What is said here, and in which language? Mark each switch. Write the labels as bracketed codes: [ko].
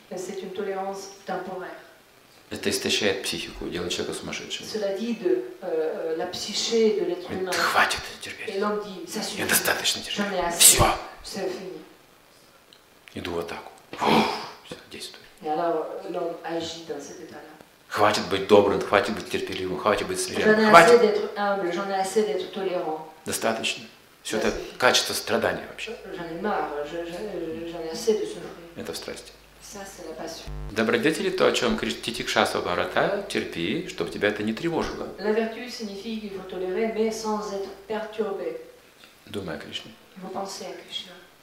[fr] C'est une tolérance temporaire. [ru] Это истощает психику, делает человека сумасшедшим. [fr] Cela dit de la psyché de l'être humain. [ru] Хватит терпеть. [fr] Et l'homme dit, ça suffit. [ru] Я достаточно терпеть. [fr] J'en ai assez. [ru] Все. [fr] C'est fini. [ru] Иду в атаку. Все, действуй. [fr] Et alors, l'homme agit dans cet état-là. [ru] Хватит быть добрым, хватит быть терпеливым, хватит быть смиренным. [fr] J'en ai [ru] хватит. [fr] Assez d'être humble, j'en ai assez d'être tolérant. [ru] Достаточно. Все это качество страдания вообще. [fr] J'en ai marre, j'en ai assez de souffrir. [ru] Это в страсти. [fr] Ça, c'est la passion. [ru] Добродетели то, о чем кричит Титикшаса Барата, терпи, чтобы тебя это не тревожило. [fr] La vertu signifie qu'il faut tolérer, mais sans être perturbé. [ru] Думай о Кришне. [fr] Il faut penser à Krishna.